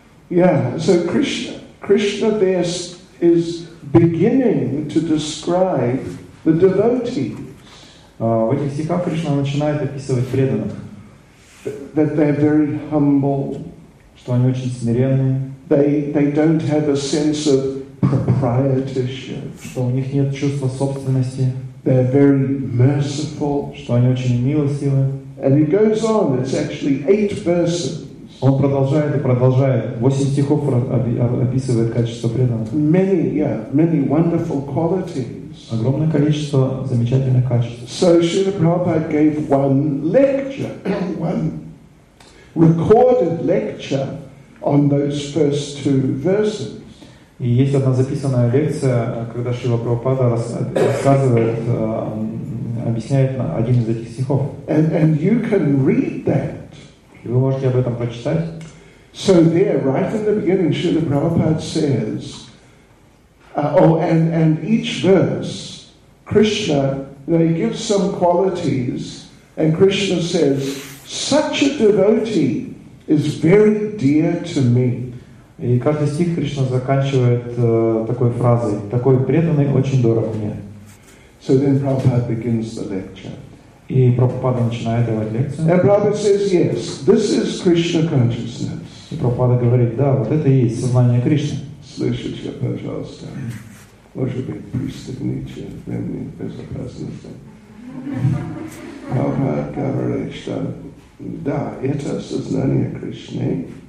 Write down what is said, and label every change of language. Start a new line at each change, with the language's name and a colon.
English: Yeah, so Krishna there is beginning to describe the devotees.
Russian: В этих стихах Кришна начинает описывать преданных.
English: That they're very humble.
Russian: Что они очень смиренные.
English: They don't have a sense of proprietorship.
Russian: Что у них нет чувства собственности.
English: They're very merciful.
Russian: Что они очень милостивы.
English: And it goes on. It's actually 8 verses.
Russian: Он продолжает и продолжает. 8 стихов описывает качество преданных.
English: Many, yeah, many wonderful qualities.
Russian: Огромное количество замечательных качеств.
English: So Srila Prabhupada gave one lecture, one recorded lecture on those first 2 verses.
Russian: И есть одна записанная лекция, когда Шрила Прабхупада рассказывает объясняет один из этих стихов.
English: And you can read that.
Russian: И вы можете об этом прочитать.
English: So there, right in the beginning, Srila Prabhupada says, and each verse, Krishna, he gives some qualities, and Krishna says, such a devotee is very dear to me.
Russian: И каждый стих Кришна заканчивает такой фразой: такой преданный очень дорог мне.
English: So then Prabhupada begins the lecture.
Russian: И Прабхупада начинает давать лекцию.
English: And Prabhupada says, yes, this is Krishna consciousness.
Russian: И Прабхупада говорит: да, вот это и есть сознание Кришны. Слышите, пожалуйста. Может быть, пристегните ремни безопасности. Прабхупада говорит, что да, это сознание Кришны.